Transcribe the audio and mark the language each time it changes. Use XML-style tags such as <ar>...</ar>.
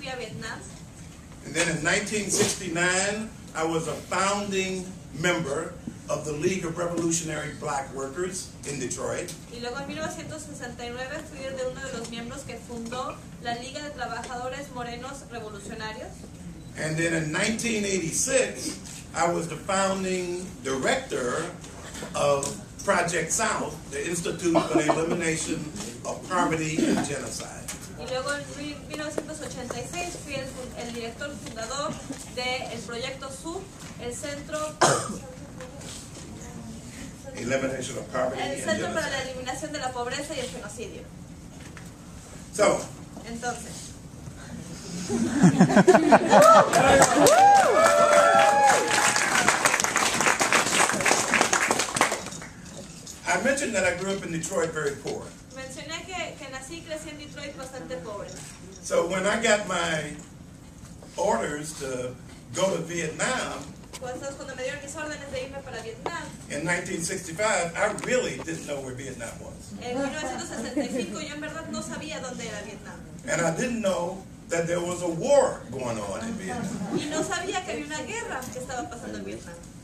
<en>And then in 1969, I was a founding member of the League of Revolutionary Black Workers in Detroit.</en> <es>Y luego en 1969 fui de uno de los miembros que fundó la Liga de Trabajadores Morenos Revolucionarios.</es> <en>And then in 1986, I was the founding director of Project South, the Institute for the Elimination of Poverty and Genocide.</en> <es>Y luego en 1986 fui el director fundador de el Proyecto Sur, el centro</es> <en>Elimination of Poverty and Genocide.</en> <es>Para la eliminación de la pobreza y el genocidio.</es> <en>So.</en> <es>Entonces.</es> <en>I mentioned that I grew up in Detroit very poor.</en> <es>Mencioné que nací y crecí en Detroit bastante pobre.</es> <en>So when I got my orders to go to Vietnam, in 1965, I really didn't know where Vietnam was. And I didn't know that there was a war going on in Vietnam.</en>